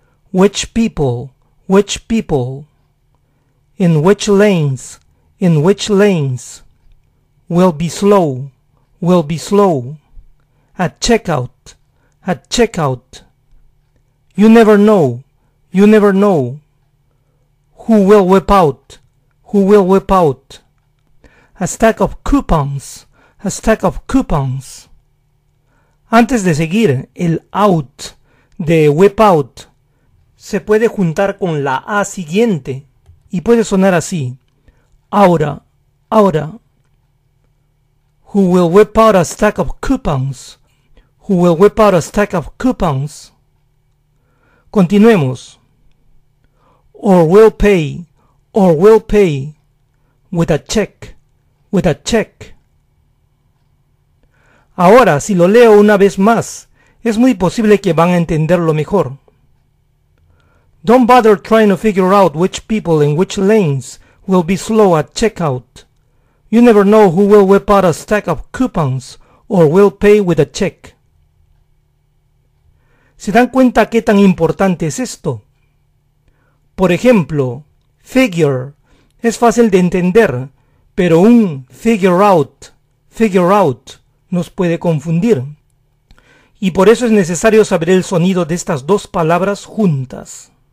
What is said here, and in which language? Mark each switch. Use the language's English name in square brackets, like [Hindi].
[English] Which people, in which lanes, will be slow, at checkout, you never know, who will whip out, a stack of coupons. [Spanish] Antes de seguir, el out de whip out se puede juntar con la A siguiente y puede sonar así. Ahora, ahora. [English] Who will whip out a stack of coupons? Who will whip out a stack of coupons? [Spanish] Continuemos. [English] Or will pay with a check, with a check. [Spanish] Ahora, si lo leo una vez más, es muy posible que van a entenderlo mejor. [English] Don't bother trying to figure out which people in which lanes will be slow at checkout. You never know who will whip out a stack of coupons or will pay with a check. [Spanish] ¿Se dan cuenta qué tan importante es esto? Por ejemplo, figure es fácil de entender, pero un figure out, nos puede confundir. Y por eso es necesario saber el sonido de estas dos palabras juntas.